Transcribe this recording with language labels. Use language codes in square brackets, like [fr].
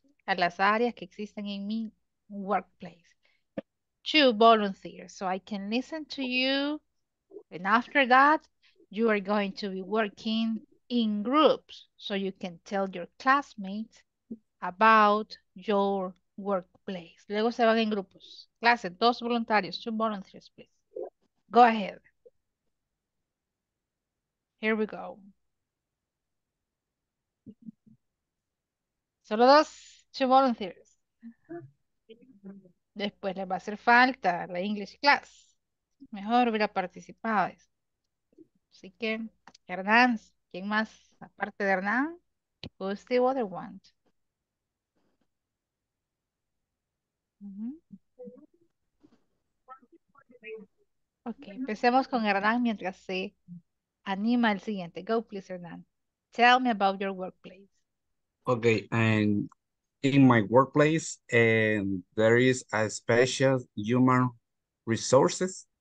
[es] a las áreas que existen en mi workplace. [en] To volunteer, so I can listen to you. And after that, you are going to be working in groups so you can tell your classmates about your workplace. [es] Luego se van en grupos. Clase, dos voluntarios, [en] two volunteers, please. Go ahead. Here we go. [es] Solo dos, [en] two volunteers. [es] Después les va a hacer falta la English class. Mejor hubiera participado. Así que, Hernán, ¿quién más? Aparte de Hernán, [en] who's the other one? [es] Ok, empecemos con Hernán mientras se anima el siguiente. [en] Go, please, Hernán. Tell me about your workplace. Ok, and in my workplace, there is a special human resources.